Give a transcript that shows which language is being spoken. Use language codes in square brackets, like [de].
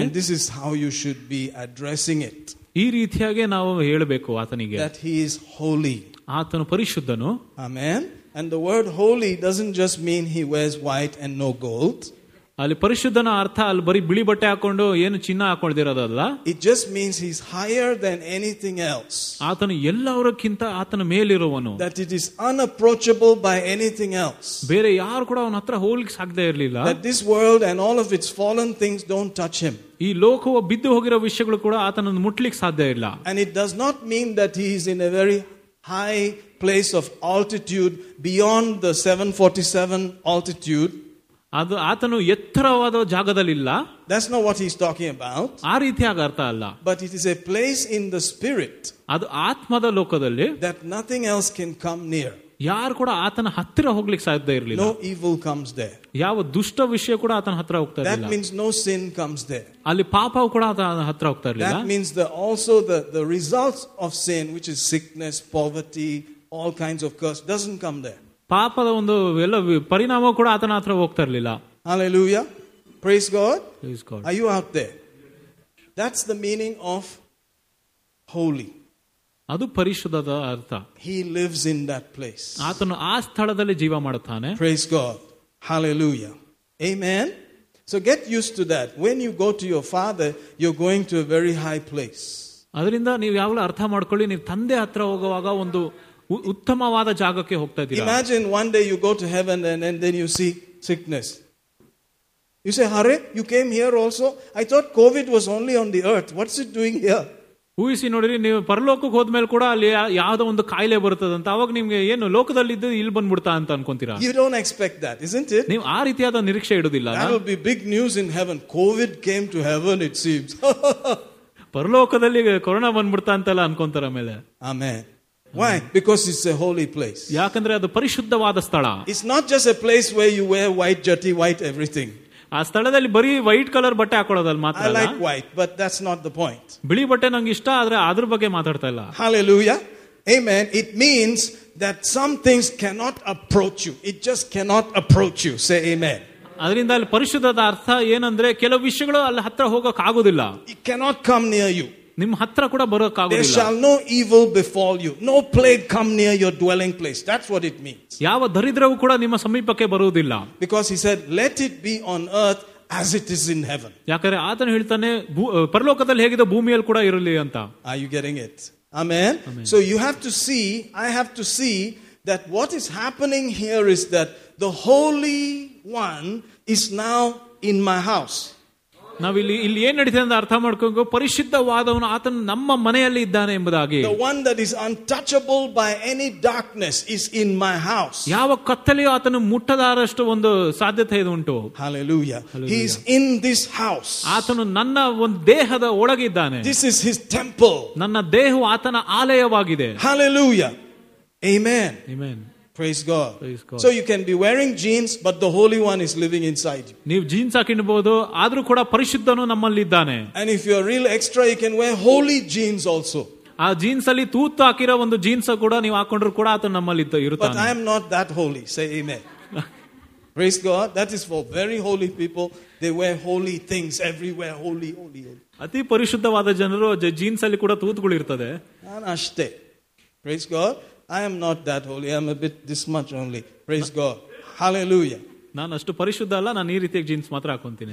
[en] And this is how you should be addressing it. [kn] ಈ ರೀತಿಯಾಗಿ ನಾವು ಹೇಳಬೇಕು ಆತನಿಗೆ. [en] That he is holy. [kn] ಆತನು ಪರಿಶುದ್ಧನು. [en] Amen. And the word holy doesn't just mean he wears white and no gold. [kn] ಅಲ್ಲಿ ಪರಿಶುದ್ಧನ ಅರ್ಥ ಅಲ್ಲಿ ಬರೀ ಬಿಳಿ ಬಟ್ಟೆ ಹಾಕೊಂಡು ಏನು ಚಿನ್ನ ಹಾಕೊಂಡಿರೋದಲ್ಲ. [en] It just means he is higher than anything else. [kn] ಆತನು ಎಲ್ಲವರಕ್ಕಿಂತ ಆತನ ಮೇಲಿರುವನು. [en] That it is unapproachable by anything else. [kn] ಬೇರೆ ಯಾರು ಕೂಡ ಅವನ ಹತ್ರ ಹೋಗ್ಲಿಕ್ಕೆ ಸಾಧ್ಯ ಇರಲಿಲ್ಲ. [en] That this world and all of its fallen things don't touch him. [kn] ಈ ಲೋಕವು ಬಿದ್ದು ಹೋಗಿರೋ ವಿಷಯಗಳು ಕೂಡ ಆತನನ್ನು ಮುಟ್ಲಿಕ್ಕೆ ಸಾಧ್ಯ ಇಲ್ಲ. [en] And it does not mean that he is in a very high place of altitude beyond the 747 altitude. [kn] ಅದು ಆತನು ಎತ್ತರವಾದ ಜಾಗದಲ್ಲಿಲ್ಲ. [en] That's not what he's talking about. [kn] ಆ ರೀತಿಯಾಗಿ ಅರ್ಥ ಅಲ್ಲ. [en] But it is a place in the spirit. [kn] ಅದು ಆತ್ಮದ ಲೋಕದಲ್ಲಿ. [en] That nothing else can come near. [kn] ಯಾರು ಕೂಡ ಆತನ ಹತ್ತಿರ ಹೋಗ್ಲಿಕ್ಕೆ ಸಾಧ್ಯ ಇರಲಿಲ್ಲ. [en] No evil comes there. [kn] ಯಾವ ದುಷ್ಟ ವಿಷಯ ಕೂಡ ಆತನ ಹತ್ರ ಹೋಗ್ತಾ ಇರಲಿಲ್ಲ. [en] That means no sin comes there. [kn] ಅಲ್ಲಿ ಪಾಪವು ಕೂಡ ಆತನ ಹತ್ರ ಹೋಗ್ತಾ ಇರಲಿಲ್ಲ. [en] That means the also the results of sin, which is sickness, poverty, all kinds of curse, doesn't come there. [kn] ಪಾಪದ ಒಂದು ಎಲ್ಲ ಪರಿಣಾಮ ಕೂಡ ಆತನ ಹತ್ರ ಹೋಗ್ತಾ ಇರಲಿಲ್ಲ. [en] Hallelujah. Praise God. Praise God. Are you out there? That's the meaning of holy. [kn] ಅದು ಪರಿಶುದ್ಧದ ಅರ್ಥ. [en] He lives in that place. [kn] ಆತನು ಆ ಸ್ಥಳದಲ್ಲಿ ಜೀವ ಮಾಡುತ್ತಾನೆ. [en] Praise God. Hallelujah. Amen. So get used to that. When you go to your father, you're going to a very high place. [kn] ಅದರಿಂದ ನೀವು ಯಾವಾಗಲೂ ಅರ್ಥ ಮಾಡ್ಕೊಳ್ಳಿ, ನೀವು ತಂದೆ ಹತ್ರ ಹೋಗುವಾಗ ಒಂದು ಉತ್ತಮವಾದ ಜಾಗಕ್ಕೆ ಹೋಗ್ತಾ ಇದ್ದೀರಾ. [en] Imagine one day you go to heaven and then you see sickness. You say, Hare, you came here also? I thought COVID was only on the earth. What's it doing here? [kn] ಊಹಿಸಿ ನೋಡಿರಿ, ನೀವು ಪರಲೋಕಕ್ಕೆ ಹೋದ್ಮೇಲೆ ಕೂಡ ಅಲ್ಲಿ ಯಾವ್ದೋ ಒಂದು ಕಾಯಿಲೆ ಬರುತ್ತದೆ ಅಂತ, ಅವಾಗ ನಿಮ್ಗೆ ಏನು ಲೋಕದಲ್ಲಿ ಇದ್ದು ಇಲ್ಲಿ ಬಂದ್ಬಿಡ್ತಾ ಅಂತ ಅನ್ಕೊಂತೀರಾ? [en] You don't expect that, isn't it? [kn] ನೀವು ಆ ರೀತಿಯಾದ ನಿರೀಕ್ಷೆ ಇಡುದಿಲ್ಲ. [en] That will be big news in heaven. Covid came to heaven, it seems. [kn] ಪರಲೋಕದಲ್ಲಿ ಕೊರೋನಾ ಬಂದ್ಬಿಡ್ತಾ ಅಂತೆಲ್ಲ ಅನ್ಕೊಂತಾರ ಮೇಲೆ. [en] Amen. Why? Because it's a holy place. [kn] ಯಾಕಂದ್ರೆ ಅದು ಪರಿಶುದ್ಧವಾದ ಸ್ಥಳ. [en] It's not just a place where you wear white jati, white everything. [kn] ಆ ಸ್ಥಳದಲ್ಲಿ ಬರೀ ವೈಟ್ ಕಲರ್ ಬಟ್ಟೆ ಹಾಕೊಳ್ಳೋದಲ್ಲಿ ಮಾತ್ರ. [en] I like white, but that's not the point. [kn] ಬಿಳಿ ಬಟ್ಟೆ ನಂಗೆ ಇಷ್ಟ, ಆದ್ರೆ ಅದ್ರ ಬಗ್ಗೆ ಮಾತಾಡ್ತಾ ಇಲ್ಲ. [en] Hallelujah. Amen. It means that some things cannot approach you. It just cannot approach you. Say amen. [kn] ಅದರಿಂದ ಅಲ್ಲಿ ಪರಿಶುದ್ಧದ ಅರ್ಥ ಏನಂದ್ರೆ ಕೆಲವು ವಿಷಯಗಳು ಅಲ್ಲಿ ಹತ್ರ ಹೋಗಕ್ ಆಗುದಿಲ್ಲ. [en] It cannot come near you. [kn] ನಿಮ್ ಹತ್ರ ಕೂಡ ಬರೋಕ್ ಆಗುದಿಲ್ಲ. [en] There shall no evil befall you. No plague come near your dwelling place. That's what it means. [kn] ಯಾವ ದರಿದ್ರವು ಕೂಡ ನಿಮ್ಮ ಸಮೀಪಕ್ಕೆ ಬರುವುದಿಲ್ಲ. [en] Because he said, let it be on earth as it is in heaven. [kn] ಯಾಕಂದ್ರೆ ಆತನು ಹೇಳ್ತಾನೆ ಪರಲೋಕದಲ್ಲಿ ಹೇಗಿದೆ ಭೂಮಿಯಲ್ಲಿ ಕೂಡ ಇರಲಿ ಅಂತ. [en] Are you getting it? Amen. So you have to see, I have to see that what is happening here is that the Holy One is now in my house. [kn] ನಾವಿಲ್ಲಿ ಇಲ್ಲಿ ಏನ್ ನಡೀತದೆ ಅಂತ ಅರ್ಥ ಮಾಡ್ಕೊಂಡು ಪರಿಶುದ್ಧವಾದವನು ಆತನು ನಮ್ಮ ಮನೆಯಲ್ಲಿ ಇದ್ದಾನೆ ಎಂಬುದಾಗಿ. [en] The one that is untouchable by any darkness is in my house. [kn] ಯಾವ ಕತ್ತಲೆಯೋ ಆತನು ಮುಟ್ಟದಾರಷ್ಟು ಒಂದು ಸಾಧ್ಯತೆ ಇದು ಉಂಟು. [en] Hallelujah. He is in this house. [kn] ಆತನು ನನ್ನ ಒಂದು ದೇಹದ ಒಳಗಿದ್ದಾನೆ. [en] This is his temple. [kn] ನನ್ನ ದೇಹವು ಆತನ ಆಲಯವಾಗಿದೆ. [en] Hallelujah. Amen. Amen. Praise God. Praise God. So you can be wearing jeans, but the Holy One is living inside you. [kn] ನೀವು jeans ಹಾಕಿರಬಹುದು, ಆದ್ರೂ ಕೂಡ ಪರಿಶುದ್ಧನು ನಮ್ಮಲ್ಲಿ ಇದ್ದಾನೆ. [en] And if you are real extra, you can wear holy jeans also. [kn] ಆ jeans ಅಲ್ಲಿ ತೂತು ಹಾಕಿರೋ ಒಂದು ಜೀನ್ಸ್ ಕೂಡ ನೀವು ಹಾಕೊಂಡ್ರು ಕೂಡ ಆತನು ನಮ್ಮಲ್ಲಿ ಇರುತ್ತಾನೆ. [en] But I am not that holy. Say amen. Praise God. That is for very holy people. They wear holy things everywhere. Holy, holy, holy. [kn] ಅತಿ ಪರಿಶುದ್ಧವಾದ ಜನರು ಜೀನ್ಸ್ ಅಲ್ಲಿ ಕೂಡ ತೂತುಗಳು ಇರ್ತದೆ. ಅಷ್ಟೇ. [en] Praise God. I am not that holy. I am a bit this much only. Praise God. Hallelujah. [kn] ನಾನು ಅಷ್ಟು ಪರಿಶುದ್ಧ ಅಲ್ಲ, ನಾನು ಈ ರೀತಿಯ ಜೀನ್ಸ್ ಮಾತ್ರ ಹಾಕೊಂತೀನಿ.